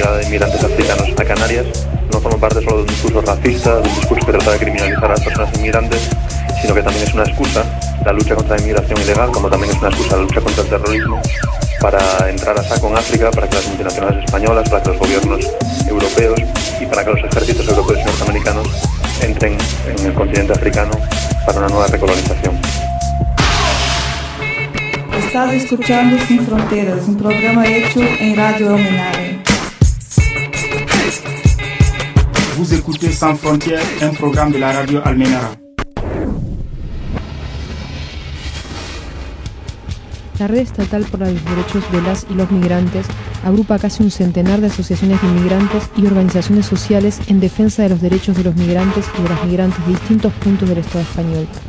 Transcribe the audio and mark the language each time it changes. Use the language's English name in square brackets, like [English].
[Spanish] Migrantes africanos a Canarias no forma parte solo de un discurso racista, de un discurso que trata de criminalizar a las personas inmigrantes, sino que también es una excusa, la lucha contra la inmigración ilegal, como también es una excusa la lucha contra el terrorismo, para entrar a saco en África, para que las multinacionales españolas, para que los gobiernos europeos y para que los ejércitos europeos y norteamericanos entren en el continente africano para una nueva recolonización. Estás escuchando Sin Fronteras, un programa hecho en Radio Almenara. [French] Vous écoutez Sans Frontières, un programme de la radio Almenara. [Spanish] La Red Estatal por los Derechos de las y los Migrantes agrupa casi un centenar de asociaciones de inmigrantes y organizaciones sociales en defensa de los derechos de los migrantes y de las migrantes de distintos puntos del Estado español.